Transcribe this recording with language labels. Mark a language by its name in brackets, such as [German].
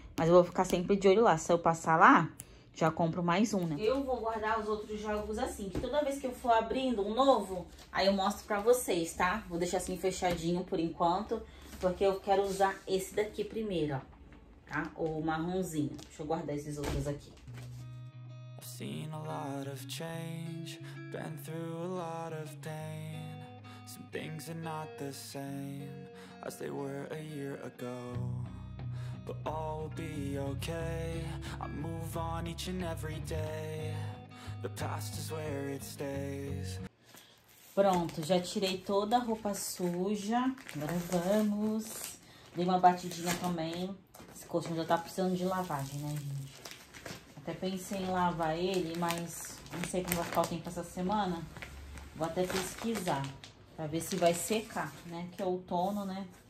[Portuguese] Mas eu vou ficar sempre de olho lá. Se eu passar lá, já compro mais um, né? eu vou guardar os outros jogos assim, que toda vez que eu for abrindo um novo, aí eu mostro pra vocês, tá? Vou deixar assim fechadinho por enquanto, porque eu quero usar esse daqui primeiro, ó. Tá? O marronzinho. Deixa eu guardar esses outros aqui. [English] Seen a lot of change, been through a lot of pain. Some things are not the same as they were a year ago. But all will be okay, I move on each and every day. The past is where it stays. [Portuguese] Pronto, já tirei toda a roupa suja. Agora vamos. Dei uma batidinha também. Esse colchão já tá precisando de lavagem, né, gente? Até pensei em lavar ele, mas não sei como vai ficar o tempo essa semana. Vou até pesquisar pra ver se vai secar, né? Que é outono, né?